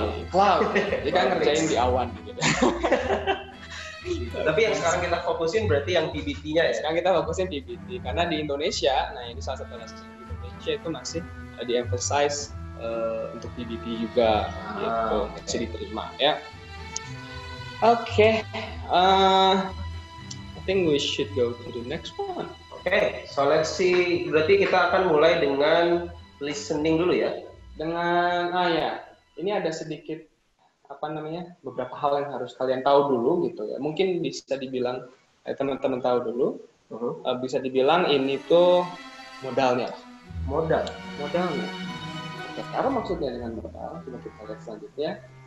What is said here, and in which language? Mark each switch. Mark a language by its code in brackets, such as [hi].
[id] Cloud. Jadi kan ngerjain di awan. Gitu. Tapi yang sekarang kita fokusin berarti yang PBT-nya ya? Sekarang kita fokusin PBT, karena di Indonesia, nah ini salah satu alasan di Indonesia itu masih di-emphasize untuk PBT juga, ya, okay. Masih diterima ya. [en] Oke, okay. I think we should go to the next one. [id] Oke, okay. [en] So let's see, [id] berarti kita akan mulai dengan listening dulu ya? Dengan, ya, ini ada sedikit apa namanya beberapa hal yang harus kalian tahu dulu gitu ya, mungkin bisa dibilang teman-teman tahu dulu bisa dibilang ini tuh modalnya. Oke, sekarang maksudnya dengan modal coba kita lihat selanjutnya.